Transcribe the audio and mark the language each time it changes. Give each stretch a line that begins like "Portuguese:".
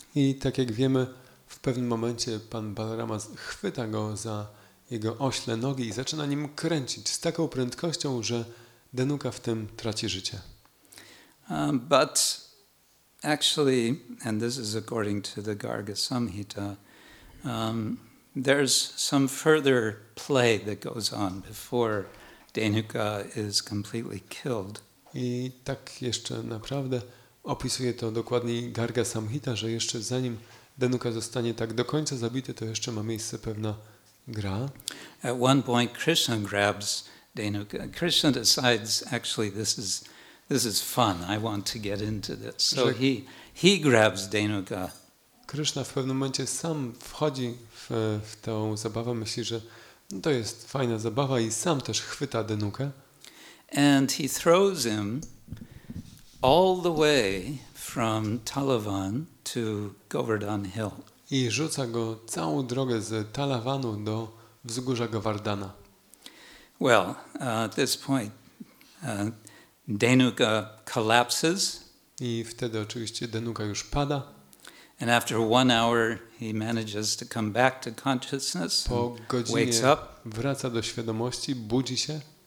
Polish: I tak jak wiemy, w pewnym momencie pan Balarama chwyta go za jego ośle nogi i zaczyna nim kręcić z taką prędkością, że Denuka w tym traci życie.
English: But actually, and this is according to the Garga Samhita, there's some further play that goes on before Denuka is completely killed.
Polish: I tak jeszcze naprawdę opisuje to dokładnie Garga Samhita, że jeszcze zanim Denuka zostanie tak do końca zabity, to jeszcze ma miejsce pewna gra.
English: At one point Krishna grabs Denuka. Krishna decides actually this is fun. I want to get into this. So he grabs Denuka.
Polish: Krishna w pewnym momencie sam wchodzi w tą zabawę, myśli, że to jest fajna zabawa i sam też chwyta Denukę.
English: And he throws him all the way from Talavan to Govardhan Hill.
Polish: I rzuca go całą drogę z Talavanu do wzgórza Govardhana.
English: Well, at this point Denuka collapses.
Polish: I wtedy oczywiście Denuka już pada.
English: And after 1 hour he manages to come back to consciousness.
Polish: Po godzinie
English: wakes up.
Polish: Wraca do świadomości, budzi się.